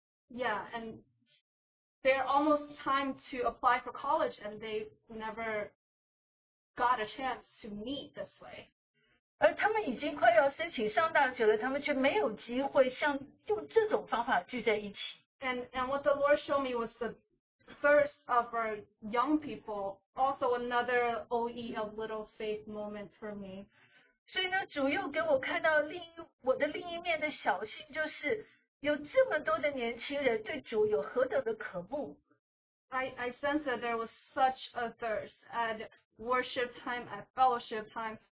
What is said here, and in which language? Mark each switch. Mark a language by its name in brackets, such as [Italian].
[English] Yeah, and they're almost time to apply for college, and they never got a chance to meet this way. [Chinese] 而他们已经快要申请上大学了，他们却没有机会像用这种方法聚在一起。 [English] And what the Lord showed me was the thirst of our young people, also another OE of little faith moment for me. [Chinese] 所以呢,主又给我看到另一,我的另一面的小心就是,有这么多的年轻人对主有何等的渴慕? [English] I sense that there was such a thirst at worship time, at fellowship time.